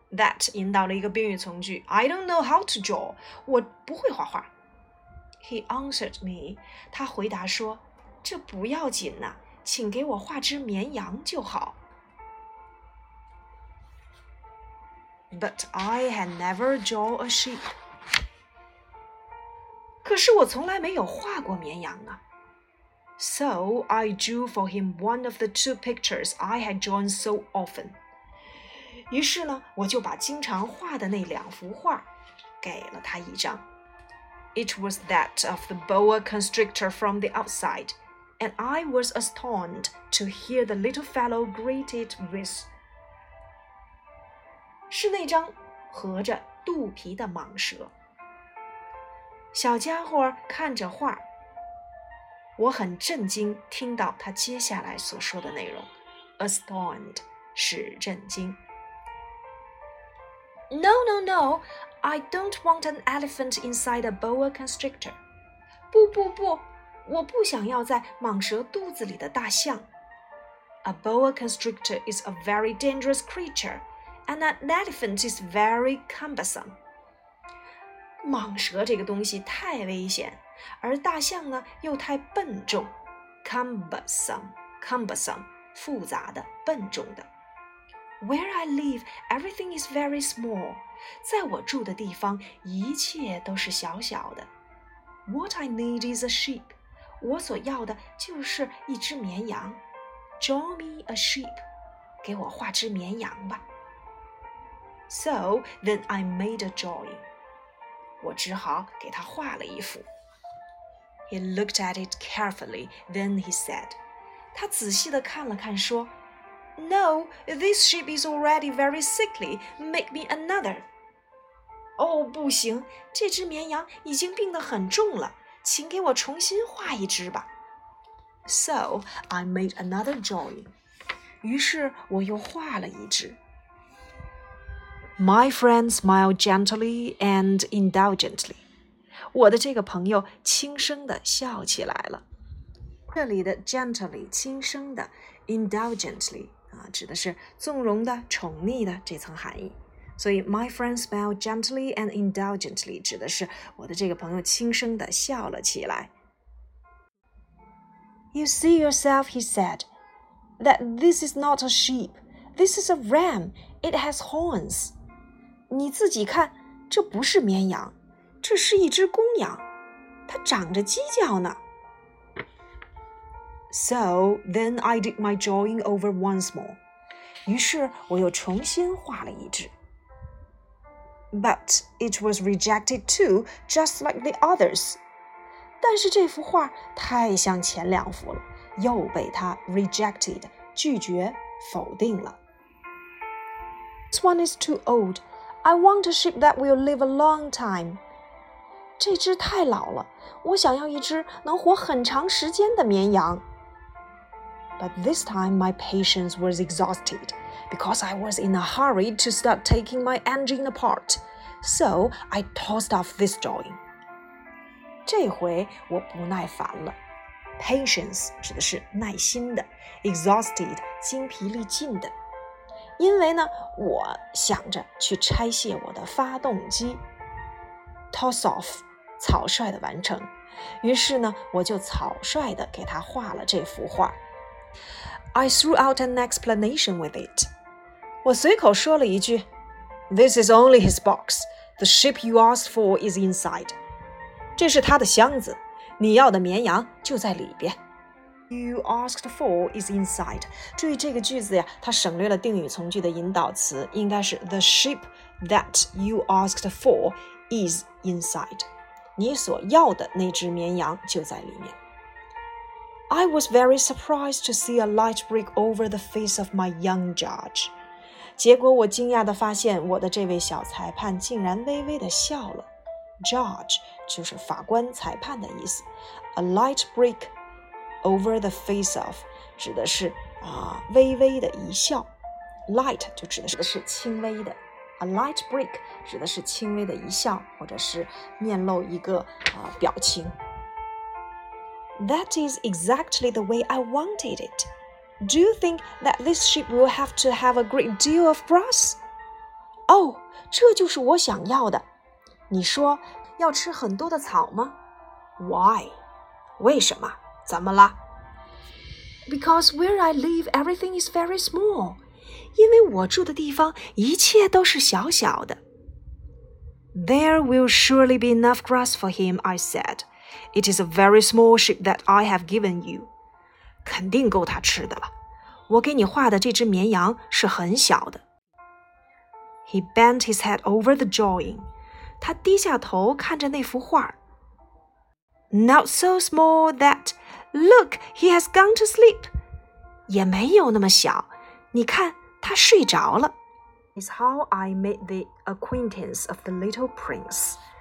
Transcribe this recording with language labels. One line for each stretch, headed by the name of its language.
English: That
Chinese: 引导了一个宾语从句
English: I don't know how to draw
Chinese: 我不会画画
English: He answered me
Chinese: 他回答说这不要紧呐、请给我画只绵羊就好
English: But I had never drawn a sheep
Chinese: 可是我从来没有画过绵羊啊
English: So I drew for him one of the two pictures I had drawn so often.
Chinese: 于是呢，我就把经常画的那两幅画给了他一张。
English: It was that of the boa constrictor from the outside, and I was astonished to hear the little fellow greet it with.
Chinese: 是那张合着肚皮的蟒蛇。小家伙看着画，我很震惊听到他接下来所说的内容。
English: Astonished
Chinese: 是震惊。
English: No, no, no, I don't want an elephant inside a boa constrictor.
Chinese: 不不不，我不想要在蟒蛇肚子里的大象。
English: A boa constrictor is a very dangerous creature, and an elephant is very cumbersome.
Chinese: 蟒蛇这个东西太危险，而大象呢又太笨重。
English: Cumbersome, cumbersome,
Chinese: 复杂的，笨重的。
English: Where I live, everything is very small.
Chinese: 在我住的地方，一切都是小小的。
English: What I need is a sheep.
Chinese: 我所要的就是一只绵羊。
English: Draw me a sheep.
Chinese: 给我画只绵羊吧。
English: So, then I made a drawing.
Chinese: 我只好给他画了一幅。
English: He looked at it carefully, then he said.
Chinese: 他仔细地看了看说，
English: No, this sheep is already very sickly. Make me another.
Chinese: 哦，不行，这只绵羊已经病得很重了，请给我重新画一只吧。
English: So, I made another drawing.
Chinese: 于是我又画了一只。
English: My friend smiled gently and indulgently.
Chinese: 我的这个朋友轻声地笑起来了。这里的 gently, 轻声的 indulgently,指的是纵容的、宠溺的这层含义。所以
English: my friend smiled gently and indulgently
Chinese: 指的是我的这个朋友轻声地笑了起来。
English: You see yourself, he said, that this is not a sheep. This is a ram. It has horns.
Chinese: 你自己看，这不是绵羊，这是一只公羊，它长着犄角呢。
English: So, then I did my drawing over once more.
Chinese: 于是我又重新画了一只。
English: But it was rejected too, just like the others.
Chinese: 但是这幅画太像前两幅了，又被他 rejected, 拒绝、否定了。
English: This one is too old. I want a sheep that will live a long time.
Chinese: 这只太老了，我想要一只能活很长时间的绵羊。
English: But this time my patience was exhausted, because I was in a hurry to start taking my engine apart. So I tossed off this drawing.
Chinese: 这回我不耐烦了。 Patience 指的是耐心的 ,exhausted, 精疲力尽的。因为呢，我想着去拆卸我的发动机。
English: Toss off,
Chinese: 草率的完成。于是呢，我就草率地给他画了这幅画。
English: I threw out an explanation with it.
Chinese: 我随口说了一句
English: This is only his box. The sheep you asked for is inside.
Chinese: 这是他的箱子，你要的绵羊就在里边。
English: You asked for is inside.
Chinese: 注意这个句子呀，它省略了定语从句的引导词，应该是
English: The sheep that you asked for is inside.
Chinese: 你所要的那只绵羊就在里面。
English: I was very surprised to see a light break over the face of my young judge.
Chinese: 结果我惊讶地发现我的这位小裁判竟然微微地笑了。 Judge 就是法官、裁判的意思。
English: A light break over the face of
Chinese: 指的是微微的一笑。 Light 就指的是轻微的。
English: A light break
Chinese: 指的是轻微的一笑，或者是面露一个表情。
English: That is exactly the way I wanted it. Do you think that this sheep will have to have a great deal of grass?
Chinese: Oh, 这就是我想要的。你说要吃很多的草吗？
English: Why?
Chinese: 为什么？怎么了？
English: Because where I live, everything is very small.
Chinese: 因为我住的地方一切都是小小的。
English: There will surely be enough grass for him, I said. It is a very small ship that I have given you.
Chinese: 肯定够他吃的了。我给你画的这只绵羊是很小的。
English: He bent his head over the drawing.
Chinese: 他低下头看着那幅画。
English: Not so small that, look, he has gone to sleep.
Chinese: 也没有那么小。你看，他睡着了。
English: It's how I made the acquaintance of the little prince.